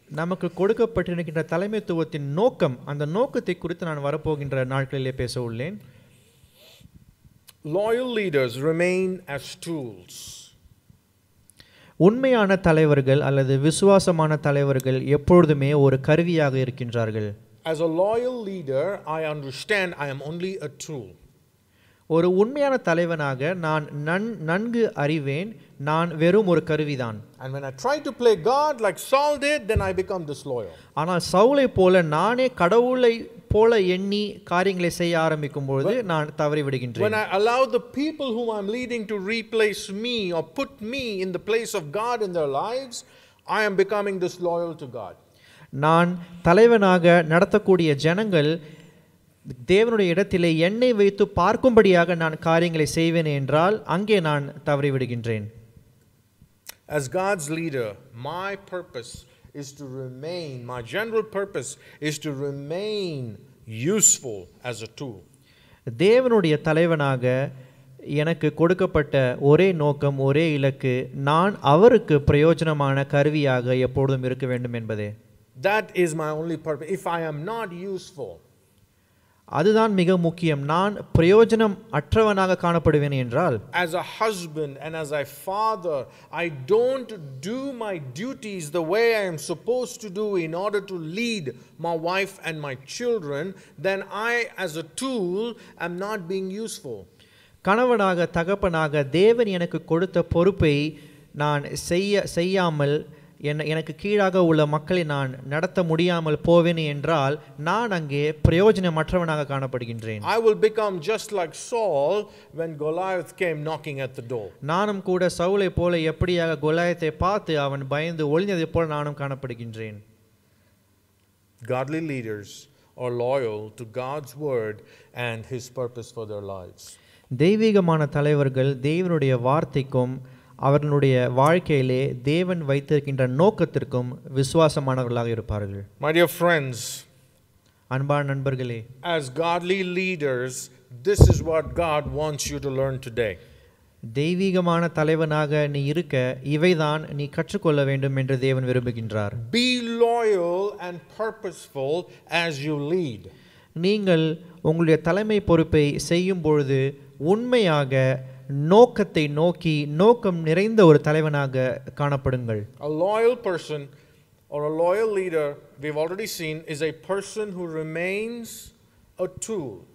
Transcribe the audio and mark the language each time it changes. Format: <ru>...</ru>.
<ta>நமக்கு கொடுக்கப்பட்டிருக்கின்ற தலைமைத்துவத்தின் நோக்கம், அந்த நோக்கத்தை குறித்து நான் வரப்போகின்ற நாட்களிலே பேச உள்ளேன்.</ta> <en>Loyal leaders remain as tools.</en> <ta>உண்மையான தலைவர்கள் அல்லது விசுவாசமான தலைவர்கள் எப்பொழுதுமே ஒரு கருவியாக இருக்கின்றார்கள்.</ta> <en>As a loyal leader, I understand I am only a tool.</en> <ta>ஒரு உண்மையான தலைவனாக நான் நன்கு அறிவேன், நான் வெறும் ஒரு கருவிதான்.</ta> <en>And when I try to play God like Saul did, then I become disloyal.</en> <ta>ஆனால் சவுலை போல நானே கடவுளை போல எண்ணி காரியங்களை செய்ய ஆரம்பிக்கும் பொழுது நான் தவறி விடுகின்றேன்.</ta> <en>When I allow the people whom I'm leading to replace me or put me in the place of God in their lives, I am becoming disloyal to God.</en> <ta>நான் தலைவனாக நடத்தக்கூடிய ஜனங்கள் தேவனுடைய இடத்திலே என்னை வைத்து பார்க்கும்படியாக நான் காரியங்களை செய்வேன் என்றால் அங்கே நான் தவறி விடுகின்றேன்.</ta> <en>As God's leader, my purpose is to remain, my general purpose is to remain useful as a tool.</en> <ta>தேவனுடைய தலைவனாக எனக்கு கொடுக்கப்பட்ட ஒரே நோக்கம் ஒரே இலக்கு நான் அவருக்கு பிரயோஜனமான கருவியாக எப்பொழுதும் இருக்க வேண்டும் என்பதே.</ta> <en>That is my only purpose. If I am not useful,</en> <ta>அதுதான் மிக முக்கியம். நான் பிரயோஜனம் அற்றவனாக காணப்படுவேன் என்றால்,</ta> <en>as a husband and as a father, I don't do my duties the way I am supposed to do in order to lead my wife and my children, then I, as a tool, am not being useful.</en> <ta>கணவனாக தகப்பனாக தேவன் எனக்கு கொடுத்த பொறுப்பை நான் செய்யாமல் எனக்கு கீழாக உள்ள மக்களை நான் நடத்த முடியாமல் போவேன் என்றால் நான் அங்கே பிரயோஜனமற்றவனாக காணப்படுகின்றேன்.</ta> <en>I will become just like Saul when Goliath came knocking at the door.</en> <ta>நானும் கூட சவுலை போல எப்படியாக கோலியாத்தை பார்த்து அவன் பயந்து ஒளிந்ததை போல நானும் காணப்படுகின்றேன்.</ta> <en>Godly leaders are loyal to God's word and his purpose for their lives.</en> <ta>தெய்வீகமான தலைவர்கள் தேவனுடைய வார்த்தைக்கும் அவர்களுடைய வாழ்க்கையிலே தேவன் வைத்திருக்கின்ற நோக்கத்திற்கும் விசுவாசமானவர்களாக இருப்பார்கள்.</ta> <en>My dear friends,</en> <ta>அன்பான நண்பர்களே,</ta> <en>as godly leaders, this is what God wants you to learn today.</en> <ta>தெய்வீகமான தலைவனாக நீ இருக்க இவைதான் நீ கற்றுக்கொள்ள வேண்டும் என்று தேவன் விரும்புகின்றார்.</ta> <en>Be loyal and purposeful as you lead.</en> <ta>நீங்கள் உங்களுடைய தலைமை பொறுப்பை செய்யும் பொழுது உண்மையாக நோக்கத்தை நோக்கி நோக்கம் நிறைந்த ஒரு தலைவனாக காணப்படுங்கள்.</ta> <en>A loyal person or a loyal leader, we've already seen, is a person who remains a tool.</en>